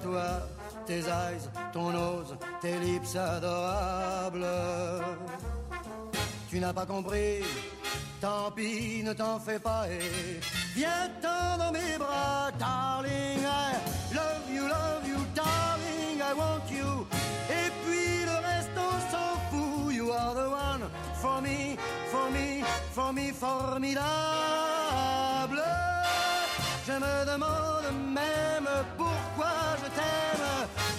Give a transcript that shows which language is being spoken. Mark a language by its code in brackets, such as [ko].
[fr] Toi, tes eyes, ton nose, tes lips adorables. Tu n'as pas compris, tant pis, ne t'en fais pas et viens-t'en dans mes bras. [en] Darling, I love you, darling, I want you. [fr] Et puis le reste on s'en fout. [en] You are the one for me, for me, for me, formidable. [fr] Je me demande même pourquoi je t'aime.